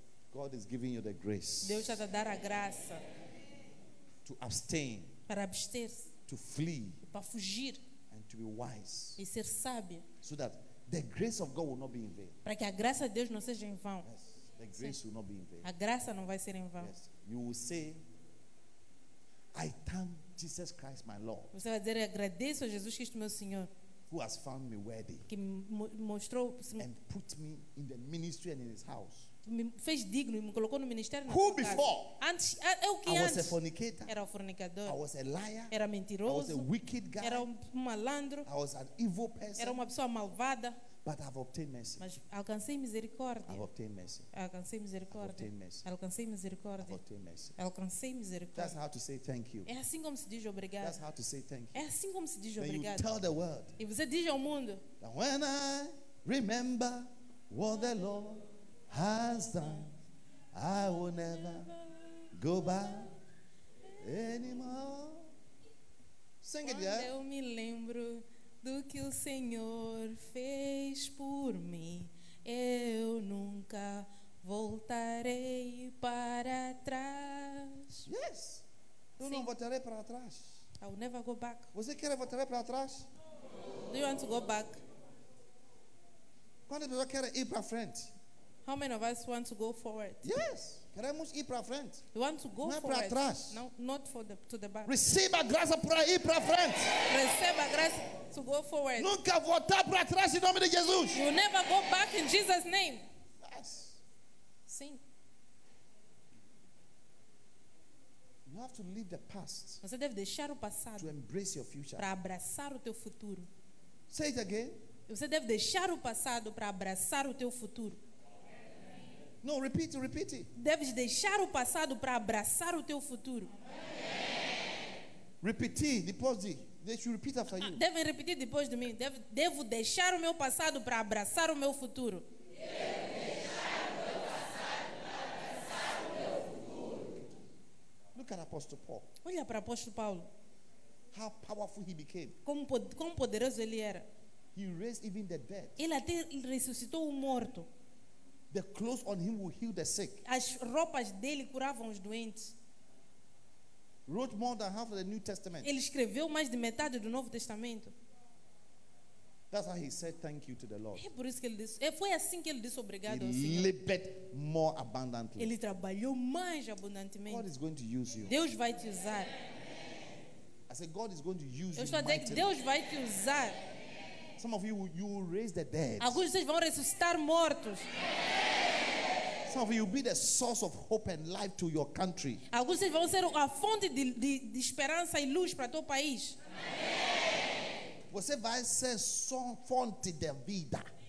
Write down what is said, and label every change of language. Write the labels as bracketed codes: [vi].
[en] God is giving you the grace. [pt] Deus está a dar a graça. [en] To abstain. [pt] Para abster-se. [en] To flee. [pt] Para fugir. [en] And to be wise. [pt] E ser sábio. [en] So that the grace of God will not be in vain. [pt] Para que a graça de Deus não seja em vão. [en] Yes. The grace will not be in vain. [pt] A graça não vai ser em vão. [en] Yes. You will say, I thank Jesus Christ my Lord. [pt] Você vai dizer, agradeço a Jesus Cristo meu Senhor. [en] Who has found me worthy. [pt] Que me mostrou [en] and put me in the ministry and in his house. [pt] Me fez digno e me colocou no ministério. [en] Who before? [pt] Antes, eu que [en] I [pt] antes. [en] Was a fornicator. [pt] Era um fornicador. [en] I was a liar. [pt] Era mentiroso. [en] I was a wicked guy. [pt] Era um malandro. [en] I was an evil person. [pt] Era uma pessoa malvada. [en] But I've obtained mercy. [pt] Mas alcancei misericórdia. [en] I've obtained mercy. [pt] Alcancei misericórdia. [en] I've obtained mercy. [pt] Alcancei misericórdia. [en] I've obtained mercy. [pt] Alcancei misericórdia. [en] That's how to say thank you. [pt] É assim como se diz obrigado. [en] That's how to say thank you. [pt] É assim como se diz [en] when [pt] obrigado. [en] You tell the world. [pt] E você diz ao mundo. [en] That when I remember what the Lord has done, I will never go back anymore. Sing it, yeah. [pt] Eu me lembro do que o Senhor fez por mim. Eu nunca voltarei para trás. [en] Yes. [pt] Eu não voltarei para trás. [en] I will never go back. [pt] Você quer voltar para trás? [en] Do you want to go back? [pt] Quando você quer ir para frente? [en] How many of us want to go forward? Yes. [pt] Queremos ir para frente. [en] We want to go not forward. [pt] Para trás. [en] No, not for the to the back. [pt] Receba graça para ir para frente. Receba graça [en] to go forward. [pt] Nunca voltar para trás em nome de Jesus. [en] You never go back in Jesus' name. Yes. [pt] Sim. [en] You have to leave the past. [pt] Você deve deixar o passado. [en] To embrace your future. [pt] Para abraçar o teu futuro. [en] Say it again. [pt] Você deve deixar o passado para abraçar o teu futuro. [en] No, repeat, repeat it. [pt] Deves deixar o passado para abraçar o teu futuro. [en] Repeat, [pt] depois de. [en] They should repeat after you. [pt] Devem repetir depois de mim. Devo deixar o meu passado para abraçar o meu futuro. [en] Look at Apostle Paul. [pt] Olha para Apóstolo Paulo. [en] How powerful he became. [pt] Como poderoso ele era. [en] He raised even the dead. [pt] Ele até ressuscitou o morto. [en] The clothes on him will heal the sick. [pt] As roupas dele curavam os doentes. [en] Wrote more than half of the New Testament. [pt] Ele escreveu mais de metade do Novo Testamento. [en] That's how he said thank you to the Lord. [pt] É por isso que ele disse, foi assim que ele disse obrigado [en] he [pt] ao Senhor. [en] Labored more abundantly. [pt] Ele trabalhou mais abundantemente. [en] God is going to use you. [pt] Deus vai te usar. [en] I said God is going to use you. [pt] Eu estou a dizer que Deus vai te usar. [en] Some of you will raise the dead. [pt] Alguns de vocês vão ressuscitar mortos. [en] Some of you will be the source of hope and life to your country. [pt] Alguns de vocês vão ser a fonte de esperança e luz para todo o país. Você vai ser só fonte de vida.